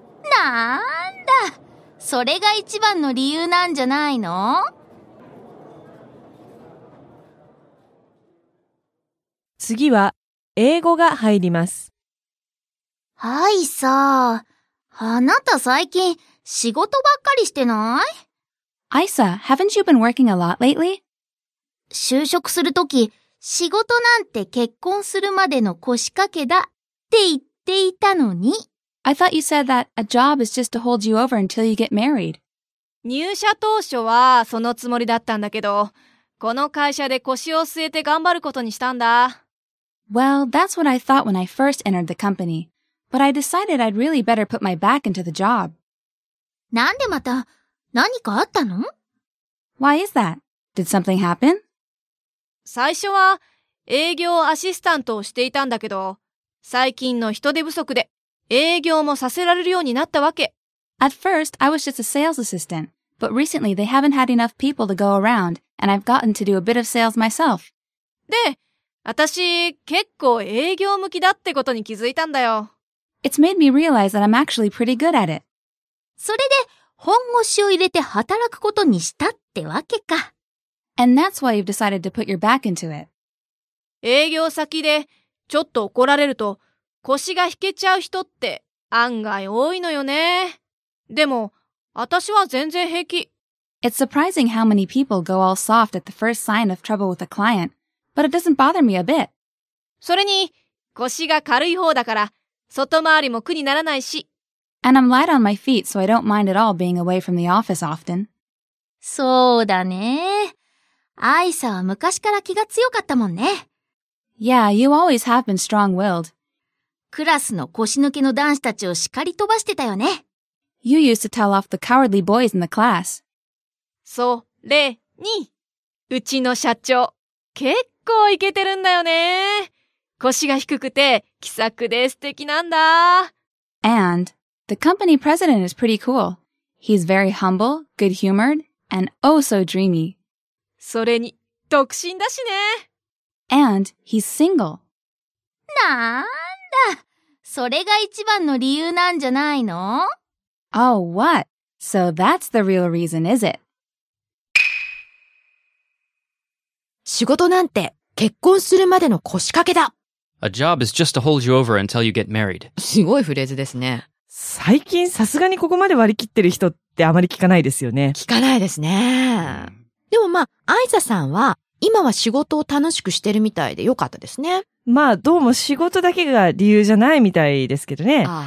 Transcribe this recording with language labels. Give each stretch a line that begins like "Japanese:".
Japanese: なんだ、それが一番の理由なんじゃないの。次は英語が入ります。アイサ、あなた最近仕事ばっかりしてない。
English: アイサ、haven't you been working a lot lately?
Japanese: 就職するとき、仕事なんて結婚するまでの腰掛けだって言っていたのに。
English: I thought you said that a job is just to hold you over until you get married.
Japanese: 入社当初はそのつもりだったんだけど、この会社で腰を据えて頑張ることにしたんだ。
English: Well, that's what I thought when I first entered the company. But I decided I'd really better put my back into the job.
Japanese: なんでまた何かあったの?
English: Why is that? Did something happen?
Japanese: 最初は営業アシスタントをしていたんだけど、最近の人手不足で営業もさせられるようになったわけ。
English: At first, I was just a sales assistant. But recently, they haven't had enough people to go around, and I've gotten to do a bit of sales myself.
Japanese: で、私結構営業向きだってことに気づいたんだよ。
English: It's made me realize that I'm actually pretty good at it.
Japanese: それで本腰を入れて働くことにしたってわけか。
English: And that's why you've decided to put your back into it.
Japanese: 営業先でちょっと怒られると腰が引けちゃう人って案外多いのよね。でも私は全然平気。
English: It's surprising how many people go all soft at the first sign of trouble with a client, but it doesn't bother me a bit.
Japanese: それに、腰が軽い方だから、外回りも苦にならないし。
English: And I'm light on my feet, so I don't mind at all being away from the office often.
Japanese: そうだね。アイサは昔から気が強かったもんね。
English: Yeah, you always have been strong-willed.
Japanese: クラスの腰抜けの男子たちを叱り飛ばしてたよね。
English: You used to tell off the cowardly boys in the class.
Japanese: それに、うちの社長、結構イケてるんだよね。腰が低くて、気さくで素敵なんだ。
English: And, the company president is pretty cool. He's very humble, good-humored, and oh so dreamy.
Japanese: それに、独身だしね。
English: And, he's single.
Japanese: なんだ、それが一番の理由なんじゃないの？
English: Oh, what? So that's the real reason, is it?
Japanese: 仕事なんて、結婚するまでの腰掛けだ。
English: A job is just to hold you over until you get married.
Japanese: すごいフレーズですね。最近さすがにここまで割り切ってる人ってあまり聞かないですよね。聞かないですね。でもまあ、アイザさんは今は仕事を楽しくしてるみたいでよかったですね。まあ、どうも仕事だけが理由じゃないみたいですけどね。